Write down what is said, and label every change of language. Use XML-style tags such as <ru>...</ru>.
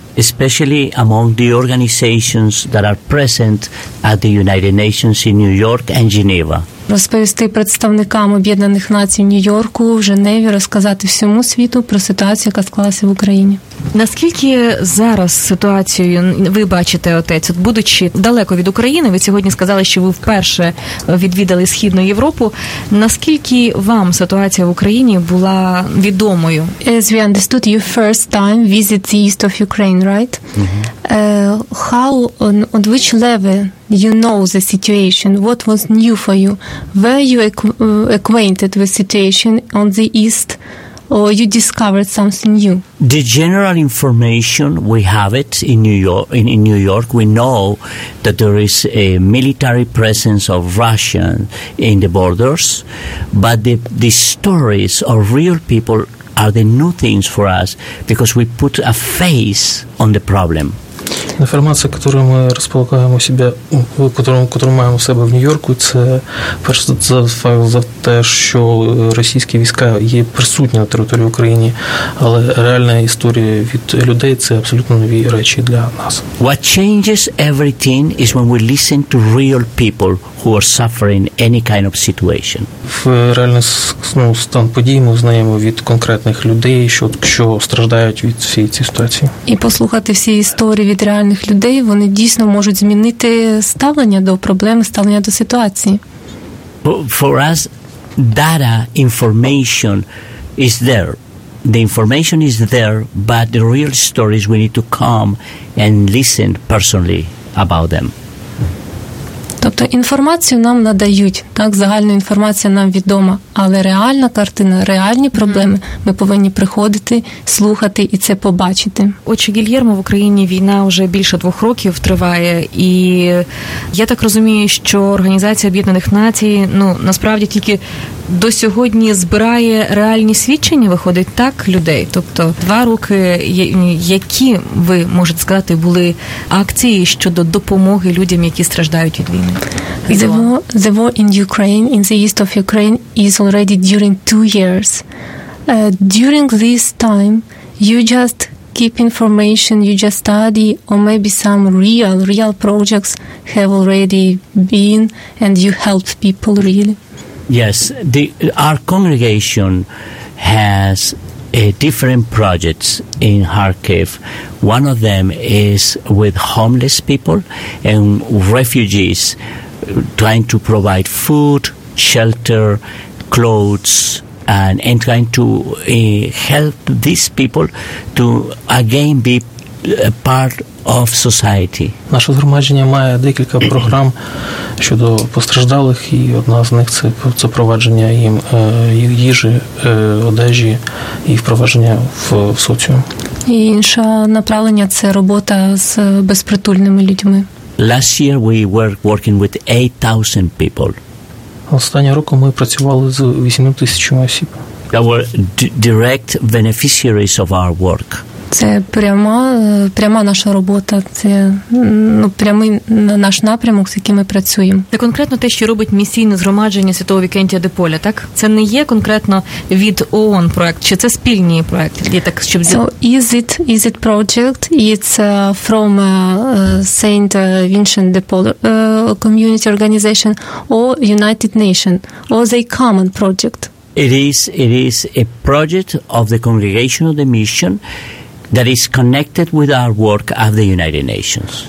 <en>Especially among the organizations that are present at the United Nations in New York and Geneva.</en> <uk>Розповісти представникам Об'єднаних Націй в Нью-Йорку, в Женеві, розказати всьому світу про ситуацію, яка склалася в Україні. Наскільки зараз ситуацію ви бачите, отець, от будучи далеко від України, ви сьогодні сказали, що ви вперше відвідали Східну Європу, наскільки вам ситуація в Україні була відомою?</uk> <en>As we understood, you first time visit the east of Ukraine, right? Mm-hmm. How, on which level you know the situation? What was new for you? Were you acquainted with situation on the east, or you discovered something new? The general information, we have it in New York. In New York, we know that there is a military presence of Russian in the borders, but the stories of real people are the new things for us because we put a face on the problem.</en> <uk>Інформація, яку ми розполагаємо себе, яку маємо в себе в Нью-Йорку, це перш за те, що російські війська є присутні на території України, але реальна історія від людей – це абсолютно нові речі для нас.</uk> <en>What changes everything is when we listen to real people who are suffering any kind of situation.</en> <uk>В реальний стан подій ми знаємо від конкретних людей, що страждають від всієї цієї ситуації. І послухати всі історії від реальних людей, вони дійсно можуть змінити ставлення до проблеми, ставлення до ситуації.</uk> <en>For us, data, information, is there. The information is there, but the real stories, we need to come and listen personally about them.</en> <uk>Тобто інформацію нам надають, так, загальна інформація нам відома, але реальна картина, реальні проблеми, ми повинні приходити, слухати і це побачити. Отже, Гільєрмо, в Україні війна вже більше 2 років триває, і я так розумію, що Організація Об'єднаних Націй, ну, насправді тільки до сьогодні збирає реальні свідчення, виходить так, людей? Тобто 2 роки, які, ви можете сказати, були акції щодо допомоги людям, які страждають від війни?</uk> <en>The war in Ukraine, in the east of Ukraine, is already during 2 years. During this time, you just keep information, you just study, or maybe some real projects have already been, and you help people really. Yes, our congregation has different projects in Kharkiv. One of them is with homeless people and refugees, trying to provide food, shelter, clothes, and trying to help these people to again be part of society.</en> <uk>Наше згромадження має декілька програм щодо постраждалих, і одна з них – це запровадження їм їжі, одежі і впровадження в соціум. І інше направлення – це робота з безпритульними людьми.</uk> <en>Last year we were working with 8,000 people.</en> <uk>Останнього року ми працювали з 8,000 осіб.</uk> <en>They were direct beneficiaries of our work.</en> <uk>Це пряма наша робота, це прямий наш напрямок, з яким ми працюємо. Це конкретно те, що робить місійне згромадження Святого Вікентія де Поля, так? Це не є конкретно від ООН проект, чи це спільні проекти? Є так, щоб...</uk> <en>So, is it project? It's from Saint Vincent de Paul community organization or United Nations or the common project? It is a project of the congregation of the mission that is connected with our work at the United Nations.</en>